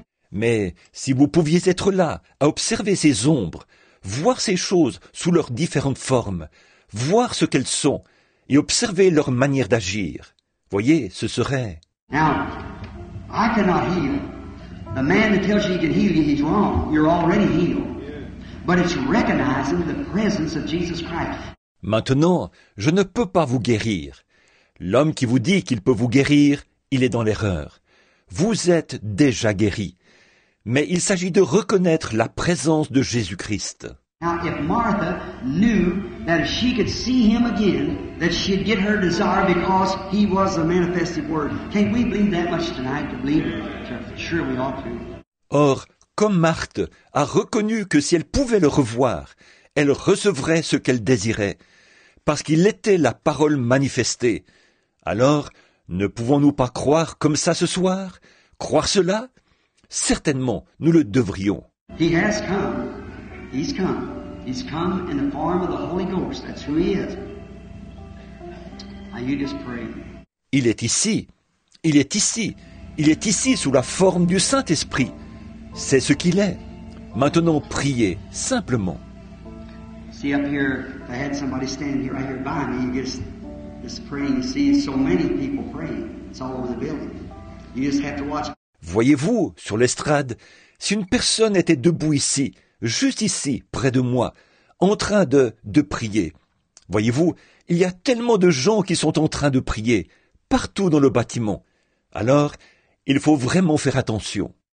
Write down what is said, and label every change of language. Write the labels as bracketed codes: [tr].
[fr] Mais si vous pouviez être là, à observer ces ombres, voir ces choses sous leurs différentes formes, voir ce qu'elles sont, et observer leur manière d'agir, voyez, ce serait... [en] Now, I cannot heal. The man that tells you he can heal you, he's wrong. You're already healed. But it's recognizing the presence of Jesus Christ. [fr] Maintenant, je ne peux pas vous guérir. L'homme qui vous dit qu'il peut vous guérir, il est dans l'erreur. Vous êtes déjà guéri. Mais il s'agit de reconnaître la présence de Jésus-Christ. [en] Now, if Martha knew that if she could see him again, that she'd get her desire because he was the manifested word. Can't we believe that much tonight to believe it? Sure, we ought to. [fr] Or, comme Marthe a reconnu que si elle pouvait le revoir, elle recevrait ce qu'elle désirait, parce qu'il était la parole manifestée. Alors, ne pouvons-nous pas croire comme ça ce soir? Croire cela? Certainement, nous le devrions. [en] He has come. He's come. He's come in the form of the Holy Ghost. That's who he is. Now you just pray. [fr] Il est ici. Il est ici. Il est ici sous la forme du Saint-Esprit. C'est ce qu'il est. Maintenant, priez simplement. [en] See up here, if I had somebody standing here right here by me, you just praying. You see so many people praying. It's all over the building. You just have to watch. [fr] Voyez-vous, sur l'estrade, si une personne était debout ici, juste ici, près de moi, en train de prier. Voyez-vous, il y a tellement de gens qui sont en train de prier, partout dans le bâtiment. Alors, il faut vraiment faire attention.